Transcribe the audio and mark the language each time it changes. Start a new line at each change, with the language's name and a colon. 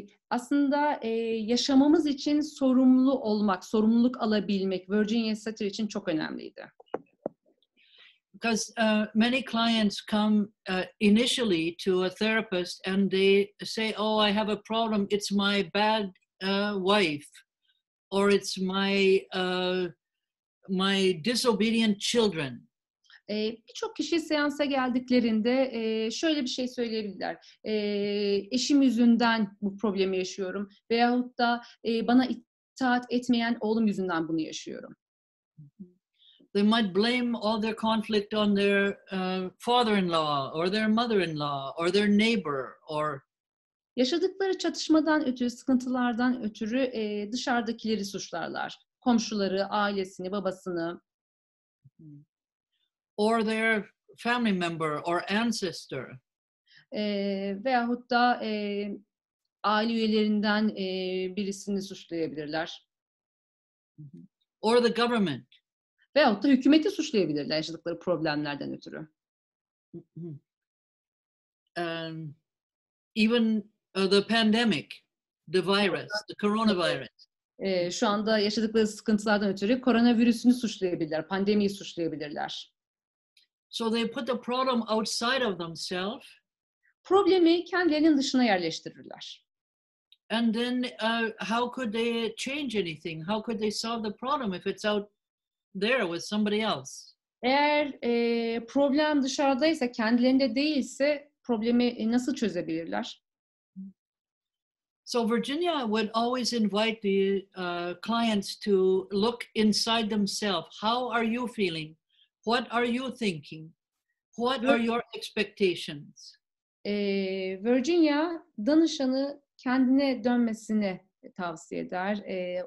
Turkish: Aslında yaşamamız için sorumlu olmak, sorumluluk alabilmek Virginia Satir için çok önemliydi.
English: Because many clients come initially to a therapist and they say, oh, I have a problem. It's my bad wife or it's my my disobedient children.
Turkish: Birçok kişi seansa geldiklerinde şöyle bir şey söyleyebilirler. Eşim yüzünden bu problemi yaşıyorum veyahut da bana itaat etmeyen oğlum yüzünden bunu yaşıyorum.
English: They might blame all their conflict on their father-in-law or their mother-in-law or their neighbor or
Turkish: yaşadıkları çatışmadan ötürü, sıkıntılardan ötürü dışarıdakileri suçlarlar. Komşuları, ailesini, babasını.
English: Or their family member or ancestor.
Turkish: Veyahut da aile üyelerinden birisini suçlayabilirler.
English: Or the government.
Turkish: Veyahut da hükümeti suçlayabilirler yaşadıkları problemlerden ötürü.
English: Even the pandemic, the virus, the coronavirus.
Turkish: Şu anda yaşadıkları sıkıntılardan ötürü koronavirüsünü suçlayabilirler, pandemiyi suçlayabilirler.
English: So they put the problem outside of themselves.
Turkish: Problemi kendilerinin dışına yerleştirirler.
English: And then how could they change anything? How could they solve the problem if it's out there with somebody else?
Turkish: Eğer problem dışarıdaysa, kendilerinde değilse problemi nasıl çözebilirler?
English: So Virginia would always invite the clients to look inside themselves. How are you feeling? What are you thinking? What are your expectations?
Turkish: Virginia, danışanı kendine dönmesini tavsiye eder.